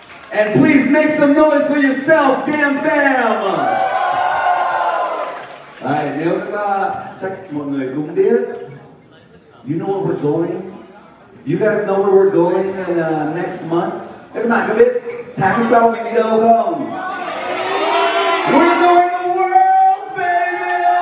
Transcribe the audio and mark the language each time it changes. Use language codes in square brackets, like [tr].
[en] And please make some noise for yourself, GAM fam. [vi] Alright, nếu chắc mọi người cũng biết, [en] you know where we're going? You guys know where we're going in next month? [vi] Các bạn có biết tháng sau mình đi đâu không? [en] We're going to world, baby!